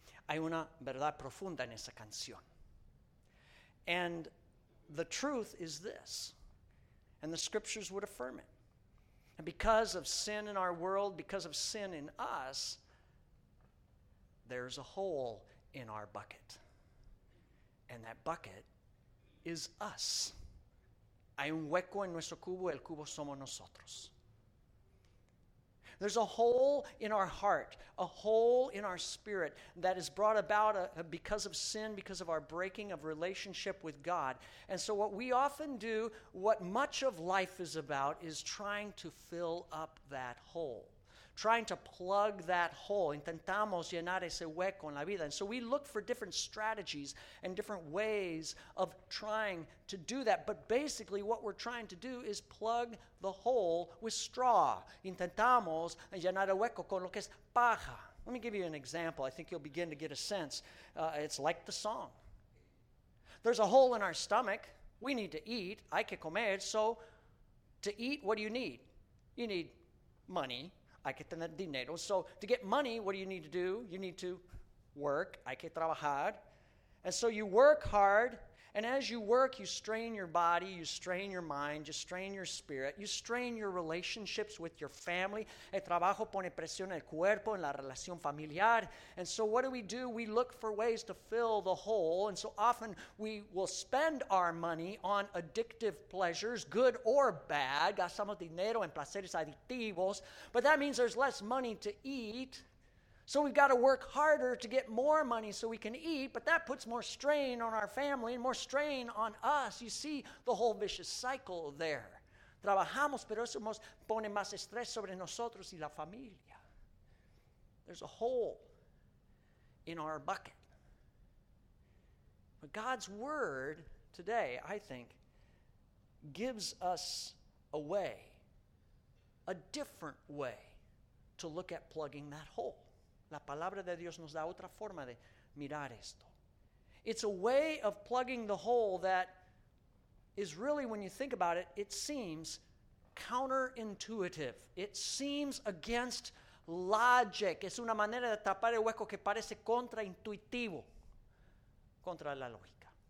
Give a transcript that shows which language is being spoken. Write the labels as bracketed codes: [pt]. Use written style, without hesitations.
[es] Hay una verdad profunda en esa canción. [en] And the truth is this. And the scriptures would affirm it. And because of sin in our world, because of sin in us, there's a hole in our bucket. And that bucket is us. [es] Hay un hueco en nuestro cubo, el cubo somos nosotros. [en] There's a hole in our heart, a hole in our spirit that is brought about because of sin, because of our breaking of relationship with God. And so what we often do, what much of life is about, is trying to fill up that hole. Trying to plug that hole. [es] Intentamos llenar ese hueco en la vida. [en] And so we look for different strategies and different ways of trying to do that. But basically what we're trying to do is plug the hole with straw. [es] Intentamos llenar el hueco con lo que es paja. [en] Let me give you an example. I think you'll begin to get a sense. It's like the song. There's a hole in our stomach. We need to eat. [es] Hay que comer. [en] So to eat, what do you need? You need money. [es] hay que tener dinero. [en] So to get money, what do you need to do? You need to work. [es] Hay que trabajar. [en] And so you work hard. And as you work, you strain your body, you strain your mind, you strain your spirit, you strain your relationships with your family. [es] El trabajo pone presión en el cuerpo, en la relación familiar. [en] And so what do? We look for ways to fill the hole. And so often we will spend our money on addictive pleasures, good or bad. [es] Gastamos dinero en placeres adictivos. [en] But that means there's less money to eat. So we've got to work harder to get more money so we can eat, but that puts more strain on our family and more strain on us. You see the whole vicious cycle there. [es] Trabajamos, pero eso nos pone más estrés sobre nosotros y la familia. [en] There's a hole in our bucket. But God's word today, I think, gives us a way, a different way, to look at plugging that hole. [es] La palabra de Dios nos da otra forma de mirar esto. [en] It's a way of plugging the hole that is really, when you think about it, it seems counterintuitive. It seems against logic. [es] Es una manera de tapar el hueco que parece contraintuitivo, contra la lógica.